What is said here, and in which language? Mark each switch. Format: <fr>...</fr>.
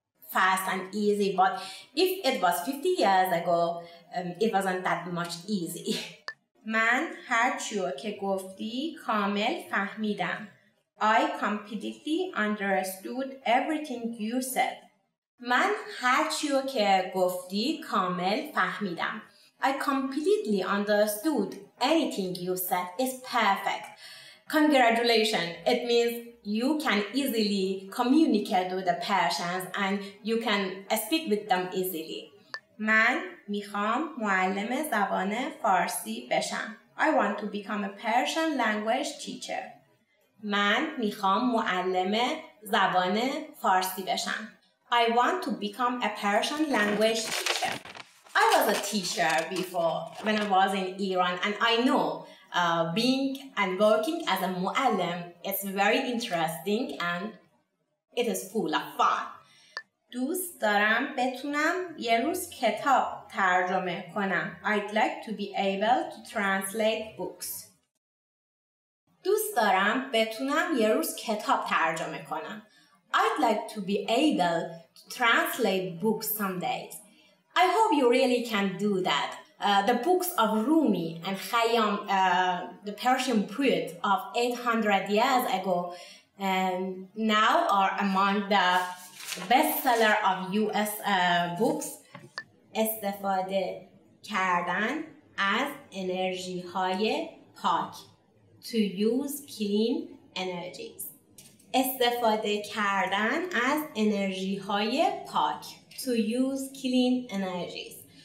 <en>fast and easy, but if it was 50 years ago, it wasn't that much easy.</en> <fa>من هر چیو که گفتی کامل فهمیدم.</fa> <en>I completely understood everything you said.</en> <fa>من هر چیو که گفتی کامل فهمیدم.</fa> <en>I completely understood anything you said. It's perfect. Congratulations. It means you can easily communicate with the Persians and you can speak with them easily.</en> <fa>من میخوام معلم زبان فارسی بشم.</fa> <en>I want to become a Persian language teacher.</en> <fa>من میخوام معلم زبان فارسی بشم.</fa> <en>I want to become a Persian language teacher. I was a teacher before when I was in Iran, and I know being and working as a muallim is very interesting and it is full of fun.</en> <fa>دوست دارم بتونم یه روز کتاب ترجمه کنم.</fa> <en>I'd like to be able to translate books.</en> <fa>دوست دارم بتونم یه روز کتاب ترجمه کنم.</fa> <en>I'd like to be able to translate books someday. I hope you really can do that. The books of Rumi and Khayyam, the Persian poet of 800 years ago, now are among the bestseller of US books.</en> <fa>استفاده کردن از انرژی های پاک.</fa> <en>To use clean energies.</en> <fa>استفاده کردن از انرژی های پاک.</fa> <en>To use clean energies.</en>